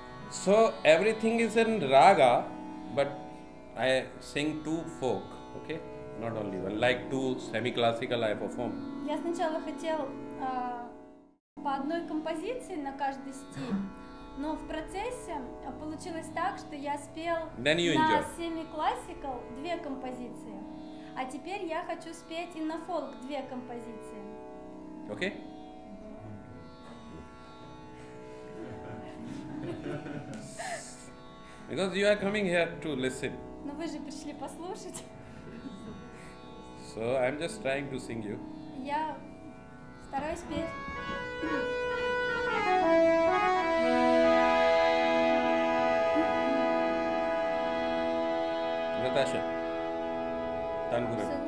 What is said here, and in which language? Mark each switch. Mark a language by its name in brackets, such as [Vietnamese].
[English] So everything is in raga, but I sing two folk, okay? Not only one, like two semi-classical I perform. [Russian] Я сначала хотел по одной композиции на каждый стиль, но в процессе получилось так, что я спел на semi-classical две композиции, а теперь я хочу спеть и на фолк две композиции. [English] Okay? Because you are coming here to listen. [Russian] Но вы же пришли послушать. [English] So I'm just trying to sing you. [Russian] Я стараюсь петь. Наташа. Танкура.